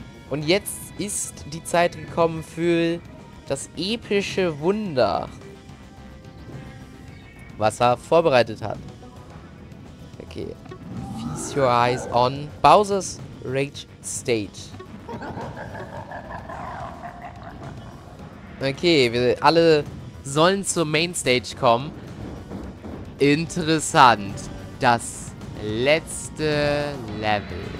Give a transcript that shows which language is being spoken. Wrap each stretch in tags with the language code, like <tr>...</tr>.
<de>Und jetzt ist die Zeit gekommen für das epische Wunder, was er vorbereitet hat. Okay.</de> <en>Feast your eyes on Bowser's Rage Stage.</en> <de>Okay, wir alle sollen zur Mainstage kommen. Interessant. Das letzte Level.</de>